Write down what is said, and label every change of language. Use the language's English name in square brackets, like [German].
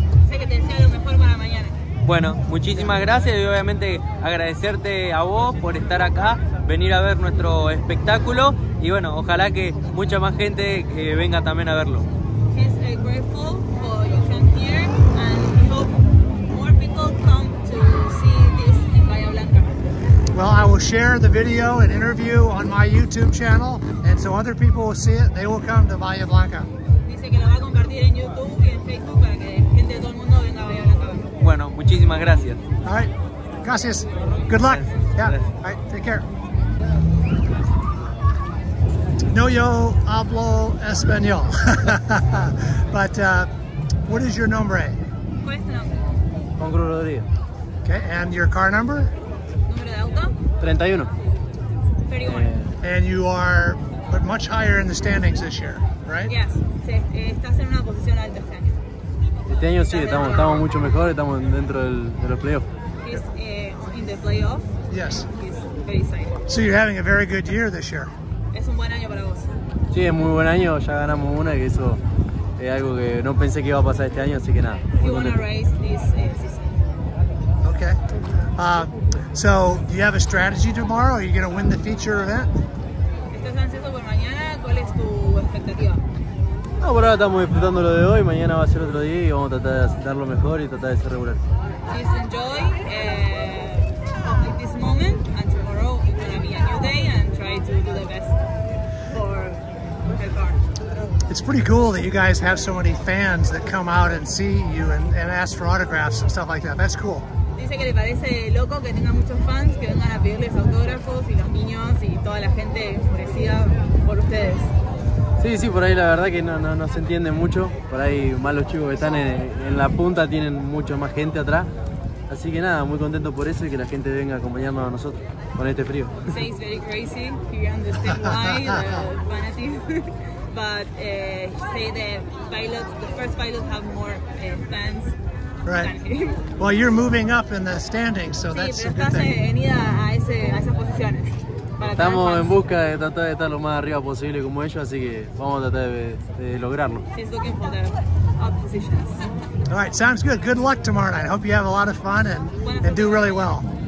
[Spanish] Sé que te deseo lo mejor para mañana. Bueno, muchísimas gracias y obviamente agradecerte a vos por estar acá, venir a ver nuestro espectáculo y bueno, ojalá que mucha más gente venga también a verlo. [English] He's grateful for you coming here and hope more people come to see this in Bahia Blanca. Well, I will share the video and interview on my YouTube channel. So other people will see it, they will come to Bahia Blanca. [Spanish] Dice que lo va a compartir en YouTube y en Facebook para que gente de todo el mundo venga a Bahia Blanca. Bueno, muchísimas gracias. [English] All right, gracias. Good luck. Gracias. Yeah. Gracias. All right, take care. [Spanish] No yo hablo español. [English] But what is your [Spanish] nombre? ¿Cuál es tu nombre? Juan Cruz Rodríguez. [English] Okay, and your car number? [Spanish] Número de auto. 31. [English] And you are but much higher in the standings this year, right? Yes. [Spanish] Estás en una posición alta este año. Este año sí, estamos mucho mejor, estamos dentro del, de los playoffs. [English] He's in the playoffs. Yes. He's very excited. So you're having a very good year this year. [Spanish] Es un buen año para vos. Sí, es muy buen año, ya ganamos una, que eso es algo que no pensé que iba a pasar este año, así que nada. [English] You want to race this season. Okay. So, do you have a strategy tomorrow? Are you going to win the feature event? [Spanish] ¿Estás ansioso por mañana? ¿Cuál es tu expectativa? No, por ahora estamos disfrutando lo de hoy, mañana va a ser otro día y vamos a tratar de dar lo mejor y tratar de ser regular. [English] Please enjoy this moment and tomorrow it's going to be a new day and try to do the best for the car. It's pretty cool that you guys have so many fans that come out and see you and ask for autographs and stuff like that. That's cool. [Spanish] Dice que le parece loco que tenga muchos fans que vengan a pedirles autógrafos y los niños y toda la gente enfurecida por ustedes. Sí, sí, por ahí la verdad que no se entiende mucho. Por ahí más los chicos que están en la punta tienen mucho más gente atrás. Así que nada, muy contento por eso y que la gente venga a acompañarnos a nosotros con este frío. [English] Say it's very crazy. He understands why the fanatic. But say the pilots, the first pilots have more fans. Right. Well, you're moving up in the standings, so that's a good thing. [Spanish] Sí, pero estás venida a esas posiciones. Estamos en busca de tratar de estar lo más arriba posible como ellos, así que vamos a tratar de lograrlo. [English] He's looking for the up positions. All right, sounds good. Good luck tomorrow night. I hope you have a lot of fun and do really well.